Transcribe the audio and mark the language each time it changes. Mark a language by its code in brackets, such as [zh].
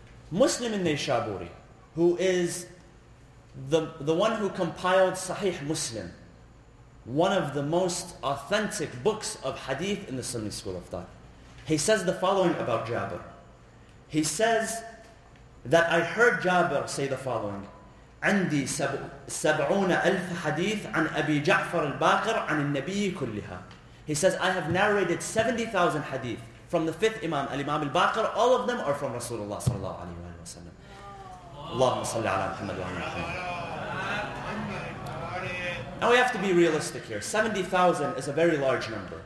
[en] Muslim in Nishaburi, who is the one who compiled Sahih Muslim, one of the most authentic books of hadith in the Sunni school of thought, he says the following about Jabir. He says that I heard Jabir say the following, [ar] عندي سبعون ألف حديث عن أبي جعفر الباقر عن النبي كلها. [en] He says, I have narrated 70,000 hadith from the fifth Imam, al-Imam al-Baqir. All of them are from Rasulullah sallallahu alayhi wa sallam. [ar] Allahumma salli ala Muhammad wa ala Muhammad. [en] Now we have to be realistic here. 70,000 is a very large number.